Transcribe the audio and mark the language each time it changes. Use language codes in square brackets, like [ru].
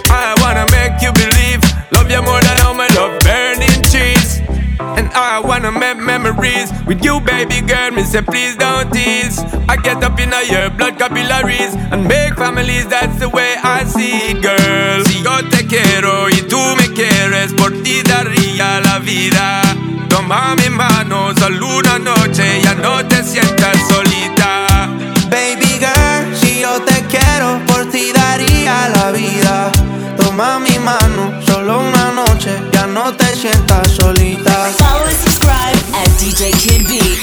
[en] I wanna make you believe, love you more than all my love burning trees. And I wanna make memories with you, baby girl. Me say please don't tease. I get up in your blood capillaries and make families. That's the way I see it, girl. [es] Si yo te quiero y tú me quieres, por ti daría la vida. Toma mi mano, solo una noche, ya no te sientas solita. Baby girl, si yo te quiero, por ti daría la vida. Toma mi mano, solo una noche, ya no te sientas solita. [en] Follow and subscribe at DJ Kid B.